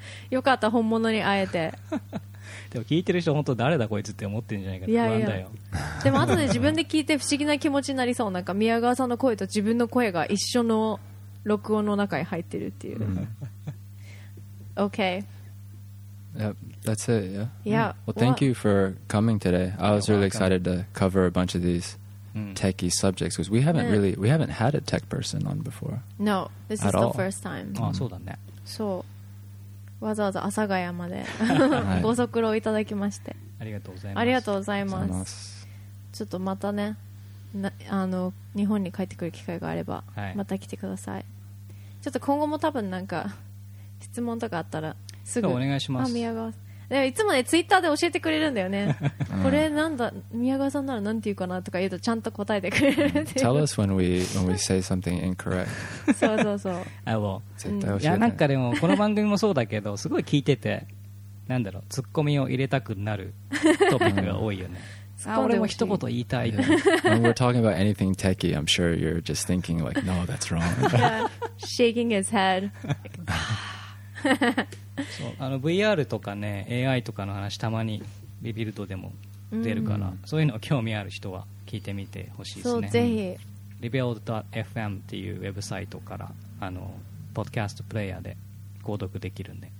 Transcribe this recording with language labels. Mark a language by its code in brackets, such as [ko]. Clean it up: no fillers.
[ja] よかった、本物に会えて。でも聞いてる人、本当誰だこいつって思ってるんじゃないかって不安だよ。でも後で自分で聞いて不思議な気持ちになりそう。なんか宮川さんの声と自分の声が一緒の録音の中に入ってるっていう。 [en] Okay. Yep, that's it, yeah? Yeah. Well, thank you for coming today. I was really excited to cover a bunch of these. Techy subjects because we haven't had a tech person on before. No, this is the first time. [ja] Ah, そうだね。そう、わざわざ阿佐ヶ谷までご足労いただきまして。ありがとうございます。ありがとうございます。ちょっとまたね、あの日本に帰ってくる機会があれば、また来てください。ちょっと今後も多分なんか質問とかあったらすぐお願いします。あ、宮川。でいつもねツイッターで教えてくれるんだよね。これなんだ、宮川さんならなんて言うかなとか言うとちゃんと答えてくれる。 [en] Tell us when we say something incorrect. [ja] そうそうそう。 [en] I will. [ja] 絶対教えて。いや、なんかでもこの番組もそうだけどすごい聞いてて、なんだろう、ツッコミを入れたくなるトピックが多いよね。あ、俺も一言言いたい。 [en] When we're talking about anything techie, I'm sure you're just thinking like, no, that's wrong. Shaking his head. [ja] そう、あの VR とかね、 AI とかの話たまにリビルドでも出るから、そういうの興味ある人は聞いてみてほしいですね。そう、ぜひ。リビルド .fm っていうウェブサイトからあのポッドキャストプレイヤーで購読できるんで、